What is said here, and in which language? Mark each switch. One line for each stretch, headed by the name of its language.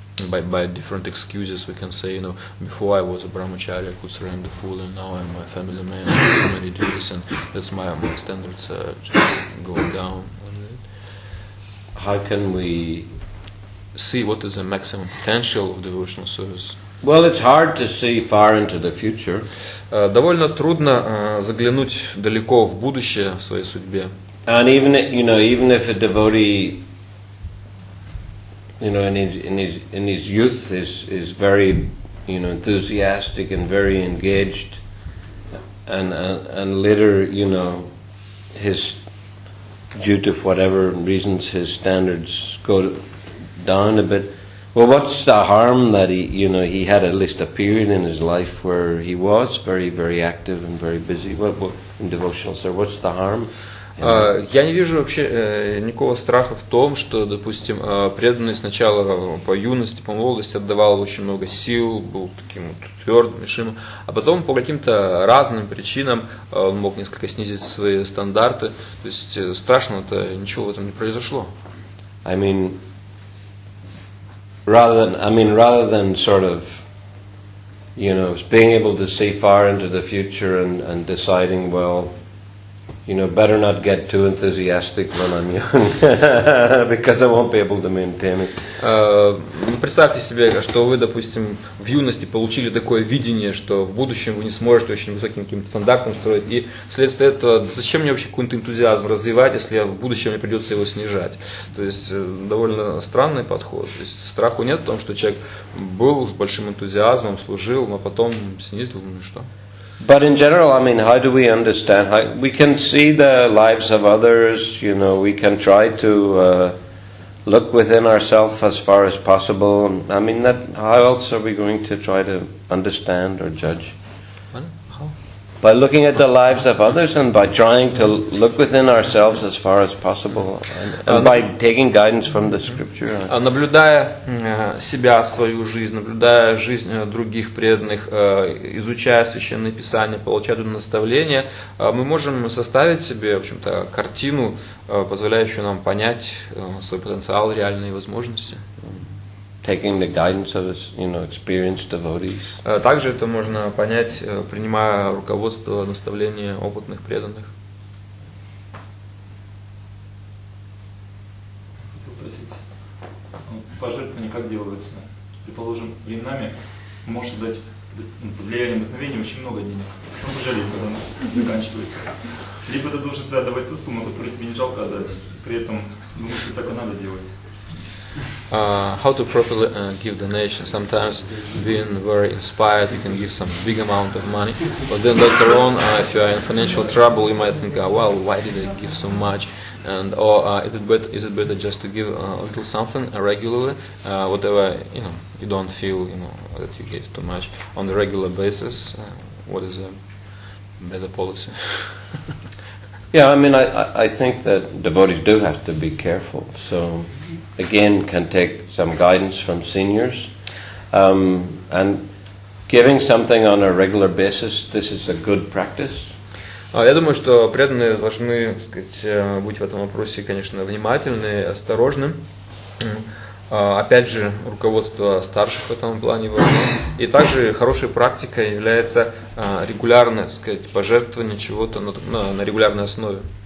English: by different excuses we can say, you know, before I was a brahmacharya, I could surrender fully, and now I'm a family man, I do so many duties, and that's my standards going down. How can we see what is the maximum potential of devotional service? Well, it's hard to see far into the future.
Russian: Довольно трудно заглянуть далеко в будущее в своей судьбе.
English: And even, you know, even if a devotee, you know, in his youth is very, you know, enthusiastic and very engaged, and later, you know, his due to whatever reasons his standards go down a bit. Well, what's the harm that he, you know, he had at least a period in his life where he was very, very active and very busy in devotional service? What's the harm?
Russian: Я не вижу вообще никакого страха в том, что, допустим, преданный сначала по юности, по молодости отдавал очень много сил, был таким вот твердым, решимым, а потом по каким-то разным причинам он мог несколько снизить свои стандарты. То есть страшного-то ничего в этом не произошло.
English: Rather than sort of, you know, being able to see far into the future and deciding, well, you know, better not get too enthusiastic when I'm young, because I won't be able to maintain it.
Russian: Представьте себе, что вы, допустим, в юности получили такое видение, что в будущем вы не сможете очень высоким каким-то стандартом строить, и вследствие этого, зачем мне вообще какой-то энтузиазм развивать, если в будущем мне придется его снижать? То есть довольно странный подход. То есть страху нет в том, что человек был с большим энтузиазмом, служил, но потом снизил, ну и что?
English: But in general, I mean, how do we understand? How, we can see the lives of others, you know, we can try to look within ourselves as far as possible. I mean, that, how else are we going to try to understand or judge? How? By looking at the lives of others and by trying to look within ourselves as far as possible and by taking guidance from the scripture.
Russian: Наблюдая себя, свою жизнь, наблюдая жизнь других преданных, изучая Священное Писание, получая наставления, мы можем составить себе, в общем-то, картину, позволяющую нам понять свой потенциал, реальные возможности.
English: Taking the guidance of, you know, experienced devotees.
Russian: Также это можно понять, принимая руководство, наставления опытных преданных. Хотел спросить, пожертвование как делается? Предположим, временами может дать под влиянием вдохновения очень много денег. Ну, пожалеть, когда оно заканчивается. Либо ты должен всегда давать ту сумму, которую тебе не жалко отдать. При этом, думаю, что так и надо делать.
English: How to properly give donation. Sometimes being very inspired, you can give some big amount of money, but then later on, if you are in financial trouble, you might think, well, why did I give so much? And is it better just to give a little something regularly, whatever, you know, you don't feel, you know, that you gave too much on the regular basis? What is a better policy? Yeah, I mean, I think that devotees do have to be careful. So, again, can take some guidance from seniors. And giving something on a regular basis, this is a good practice.
Russian: Я думаю, что преданные должны, так сказать, быть в этом вопросе, конечно, внимательны и осторожны. Опять же, руководство старших в этом плане важно. И также хорошей практикой является регулярное, так сказать, пожертвование чего-то на регулярной основе.